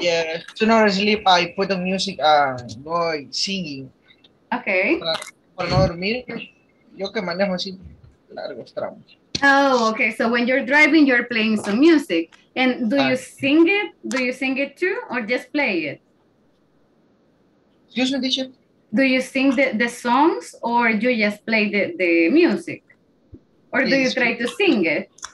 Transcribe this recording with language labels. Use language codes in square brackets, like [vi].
[en] Yeah, to not sleep, I put the music and go singing. Okay. [es] Para no dormir, yo que manejo así largos tramos. [en] Oh, okay. So when you're driving, you're playing some music. And do you sing it? Do you sing it too or just play it? Excuse me, teacher. Do you sing the songs or you just play the music? Or do you try to sing it?